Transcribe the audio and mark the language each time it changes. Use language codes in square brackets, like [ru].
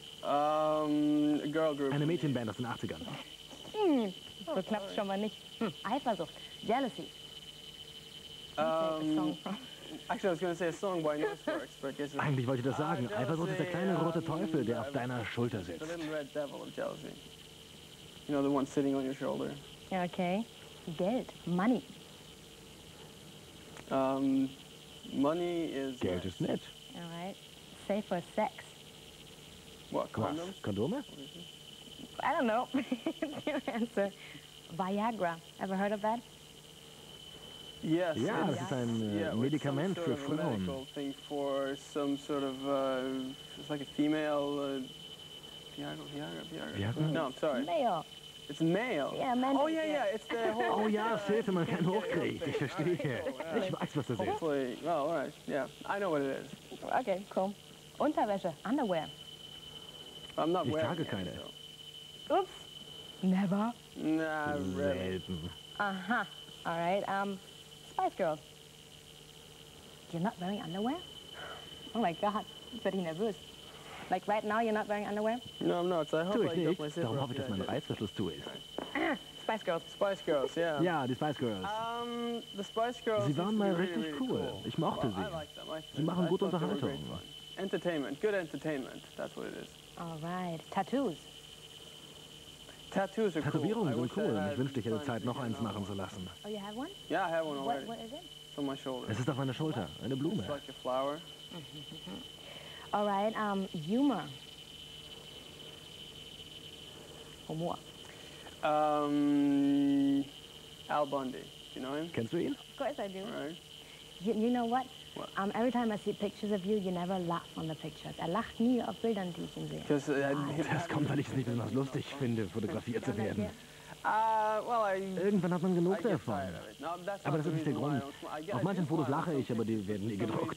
[en] Girl group. [de] Eine Mädchenband aus den 80ern. So klappt es schon mal nicht. Eifersucht. Jealousy. [en] Actually, I was going to say a song by Nesworks, but [de] eigentlich wollte ich das sagen. Eifersucht ist der kleine rote Teufel, der auf deiner Schulter sitzt. [en] The little red devil of jealousy. You know, the one sitting on your shoulder. Okay. Geld. Money. Money is [de] Geld ist nett. [en] All right. Safe for sex. What, condoms? [de] Was? Kondome? [en] I don't know. Your answer. Viagra. Ever heard of that? Yes. [de] Ja, yeah, das ist ein Medikament [en] some sort [de] für Frauen. [en] Of medical thing for some sort of, it's like a female, Viagra. No, I'm sorry. Male. It's male. Yeah, man. Oh yeah, yeah. It's the whole. [de] Oh yeah, es hilft, wenn man keinen hochkriegt. Ich verstehe. Right, [en] cool, [de] ich weiß, was das ist. [en] Oh, all right. Yeah, I know what it is. Okay, cool. Unterwäsche, underwear. I'm not wearing. [de] Ich trage keine. [en] So. Oops. Never. Nah, really. [de] Selten. [en] Aha. All right. Spice Girls. You're not wearing underwear? Oh my God. [de] Bin ich nervös. [en] Like right now you're not wearing underwear? No, I'm not. So I hope I don't myself. [de] Darum hoffe ich, dass mein Reißverschluss zu ist. [en] Spice Girls. Spice Girls, yeah. [de] Ja, die Spice Girls. [en] The Spice Girls. [de] Sie waren mal richtig [en] really cool. [de] Ich mochte sie. [en] I like them. [de] Sie machen gute Unterhaltung. [en] Entertainment. Good entertainment. That's what it is. All right. Tattoos. Tattoos are cool. [de] Tätowierungen sind cool. Ich wünschte, ich hätte Zeit, noch eins machen zu lassen. [en] Oh, you have one? Yeah, I have one already. What is it? On my shoulder. [de] Es ist auf meiner Schulter. Eine Blume. [en] It's like a flower. All right, humor. Humor. Al Bundy. You know him? [de] Kennst du ihn? [en] Of course I do. Right. You know what? What? Every time I see pictures of you, you never laugh on the pictures. [de] Er lacht nie auf Bildern, die ich ihn sehe. Das kommt, weil ich es nicht besonders lustig finde, fotografiert zu werden. Well, irgendwann hat man genug davon. Aber das ist nicht der Grund. Auf manchen Fotos lache ich, aber die werden nie gedruckt.